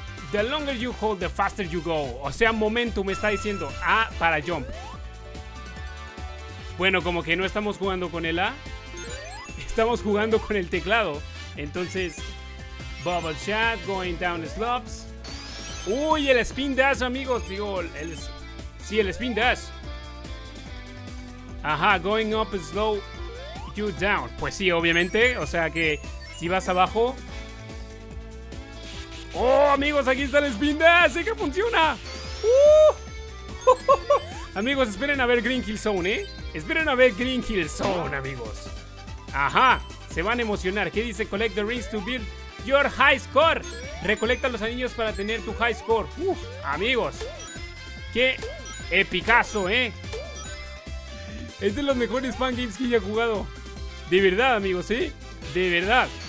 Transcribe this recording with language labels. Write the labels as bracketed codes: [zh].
[en] The longer you hold, the faster you go. [es] O sea, momentum está diciendo A para jump. Bueno, como que no estamos jugando con el A, estamos jugando con el teclado. Entonces, [en] bubble chat, going down the slopes. [es] ¡Uy, el spin dash, amigos! Digo, el spin dash. [en] Ajá, going up slow, you down. [es] Pues sí, obviamente, o sea que si vas abajo. ¡Oh, amigos, aquí está el spin dash! ¡Sí que funciona! Amigos, esperen a ver Green Hill Zone, ¿eh? Esperen a ver Green Hill Zone, amigos. Ajá, se van a emocionar. ¿Qué dice? [en] Collect the rings to build your high score. [es] Recolecta los anillos para tener tu high score. Uf, amigos, qué epicazo, ¿eh? Es de los mejores fangames que he jugado. De verdad, amigos, ¿sí? De verdad.